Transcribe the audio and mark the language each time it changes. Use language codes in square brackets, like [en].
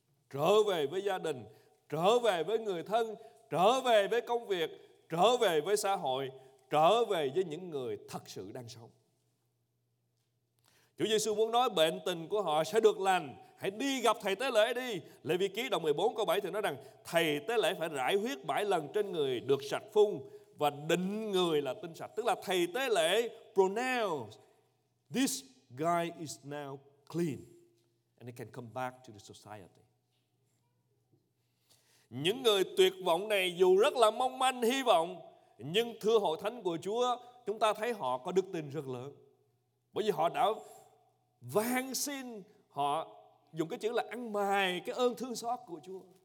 [vi] Trở về với gia đình, trở về với người thân, trở về với công việc, trở về với xã hội, trở về với những người thật sự đang sống. Chúa Giê-xu muốn nói bệnh tình của họ sẽ được lành. Hãy đi gặp Thầy tế lễ đi. Lê Vi Ký đoạn 14 câu 7 thì nói rằng Thầy tế lễ phải rải huyết 7 lần trên người được sạch phun và định người là tinh sạch. Tức là Thầy tế lễ [en] pronounce: This guy is now clean and he can come back to the society. [vi] Những người tuyệt vọng này dù rất là mong manh hy vọng, nhưng thưa hội thánh của Chúa, chúng ta thấy họ có đức tin rất lớn. Bởi vì họ đã van xin, họ dùng cái chữ là ăn mày cái ơn thương xót của Chúa.